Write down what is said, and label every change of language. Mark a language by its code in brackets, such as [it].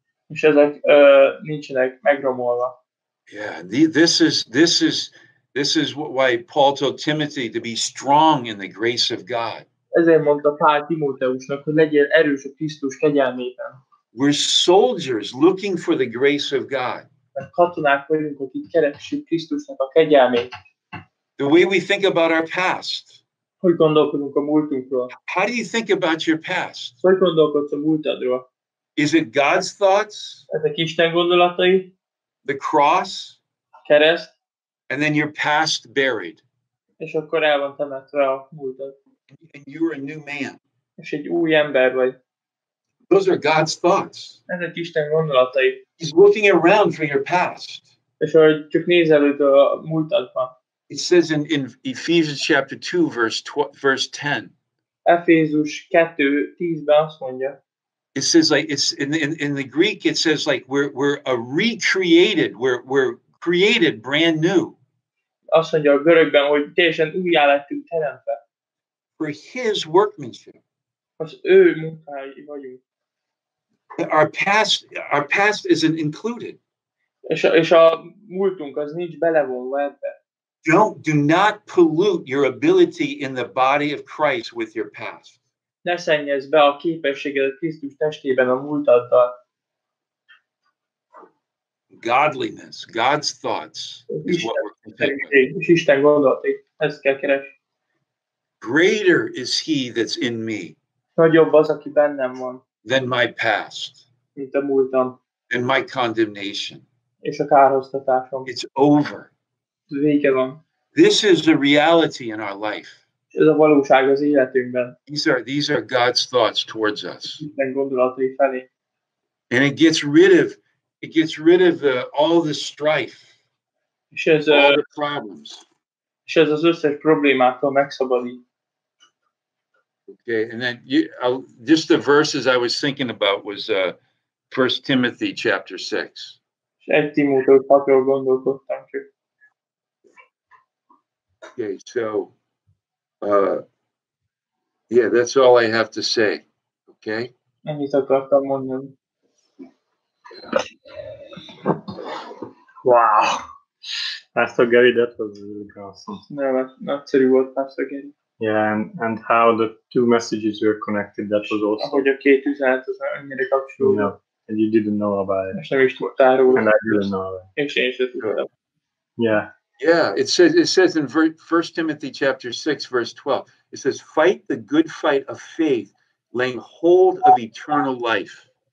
[en] Yeah, this is why Paul told Timothy to be strong in the grace of God. [hu] Ezért mondta Pál Timóteusnak, hogy legyél erős a Krisztus kegyelmében. [en] We're soldiers looking for the grace of God. [hu] Mert katonák vagyunk, akik keresik Krisztusnak a kegyelmét. [en] The way we think about our past. [hu] Hogy gondolkodunk a múltunkról? [en] How do you think about your past? [hu] Hogy gondolkodsz a múltadról? [en] Is it God's thoughts? [hu] Ezek Isten gondolatai? [en] The cross? [hu] Kereszt. [en] And then your past buried. [hu] És akkor el van temetve a múltad. [en] And you're a new man. [hu] És egy új ember vagy. [en] Those are God's thoughts. [hu] Ezek Isten gondolatai. [en] He's looking around for your past. [hu] És ahogy csak néz előtt a múltadba. [en] It says in Ephesians chapter 2, verse 10. [hu] Efézus 2:10-ben azt mondja. [en] It says like it's in the Greek it says like we're a recreated, we're created brand new. [hu] Azt mondja a görögben, hogy teljesen újjá lettünk teremtve. [en] For his workmanship. [hu] Az ő munkái vagyunk. [en] Our past isn't included. [hu] És a múltunk az nincs belevonva ebbe. [en] Do not pollute your ability in the body of Christ with your past. [hu] Ne szennyezz be a képességed a Krisztus testében a múltaddal. [en] Godliness, God's thoughts is what we're considering. [hu] Isten gondolatai, ezt kell keresni. [en] Greater is he that's in me. [hu] Nagyobb az, aki bennem van. [en] Than my past. [hu] Mint a múltam. [en] Than my condemnation. [hu] És a kárhoztatásom. [en] It's over. [hu] Vége van. [en] This is the reality in our life. [hu] Ez a valóság az életünkben. [en] These are God's thoughts towards us. [hu] Isten gondolatai felé. [en] And it gets rid of all the strife. [hu] És ez [en] all the problems. [hu] És ez az összes problémától megszabadít. [en] Okay, and then just the verses I was thinking about was 1 Timothy chapter 6. [hu] És 1 Timóteus 6-ról gondolkodtam csak. [en] Okay, so yeah, that's all I have to say. Okay? [hu] Ennyit akartam mondani. [en] Wow. Pastor Gary, that was really awesome. [hu] No, nagyszerű volt, Pastor Gary. [en] Yeah, and how the two messages were connected, that was awesome. [hu] Ahogy a két üzenet az annyira kapcsolódott. [en] Yeah, and you didn't know about it. [hu] És nem is tudtál róla. [en] And I didn't know about it. [hu] És én sem tudtam. [en] Yeah. Yeah, it says in 1 Timothy chapter 6, verse 12, it says, fight the good fight of faith, laying hold of eternal life.